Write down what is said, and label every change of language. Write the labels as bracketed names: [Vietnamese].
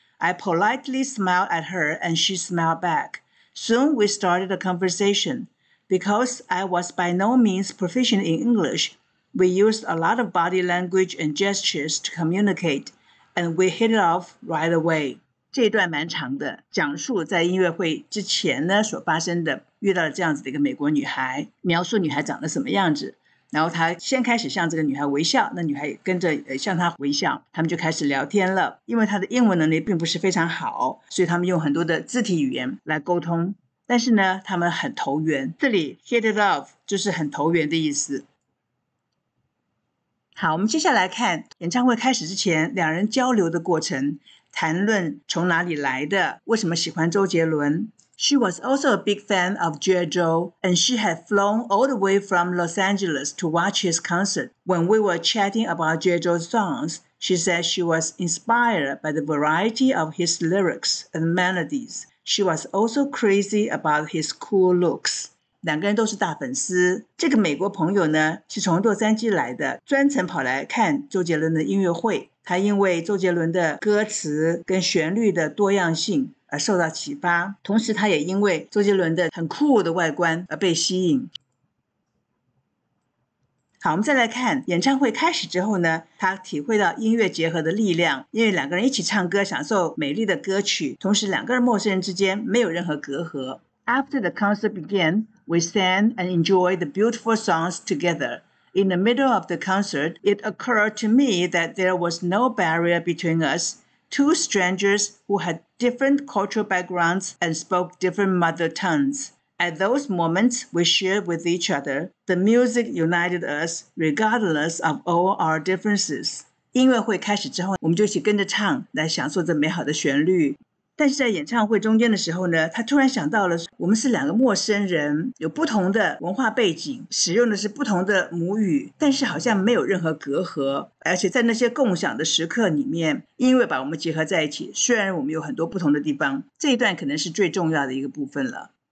[English] I politely smiled at her and she smiled back. Soon we started a conversation. Because I was by no means proficient in English, we used a lot of body language and gestures to communicate, and we hit it off right away. [Chinese] 这一段蛮长的，讲述在音乐会之前呢所发生的，遇到了这样子的一个美国女孩，描述女孩长得什么样子，然后她先开始向这个女孩微笑，那女孩也跟着向她微笑，他们就开始聊天了。因为她的英文能力并不是非常好，所以他们用很多的肢体语言来沟通，但是呢，他们很投缘。这里 hit it off 就是很投缘的意思。好，我们接下来看演唱会开始之前两人交流的过程，谈论从哪里来的，为什么喜欢周杰伦。 [English] She was also a big fan of Jerry Joe, and she had flown all the way from Los Angeles to watch his concert. When we were chatting about Jerry Joe's songs, she said she was inspired by the variety of his lyrics and melodies. She was also crazy about his cool looks. [Chinese] 两个人都是大粉丝，这个美国朋友呢是从洛杉矶来的，专程跑来看周杰伦的音乐会，他因为周杰伦的歌词跟旋律的多样性而受到启发，同时他也因为周杰伦的很酷的外观而被吸引。好，我们再来看演唱会开始之后呢，他体会到音乐结合的力量，因为两个人一起唱歌享受美丽的歌曲，同时两个人陌生人之间没有任何隔阂。 [English] After the concert began, we sang and enjoyed the beautiful songs together. In the middle of the concert, it occurred to me that there was no barrier between us, two strangers who had different cultural backgrounds and spoke different mother tongues. At those moments we shared with each other, the music united us regardless of all our differences. [Chinese] 音乐会开始之后，我们就一起跟着唱，来享受这美好的旋律。但是在演唱会中间的时候呢，他突然想到了，我们是两个陌生人，有不同的文化背景，使用的是不同的母语，但是好像没有任何隔阂，而且在那些共享的时刻里面，音乐把我们结合在一起，虽然我们有很多不同的地方，这一段可能是最重要的一个部分了。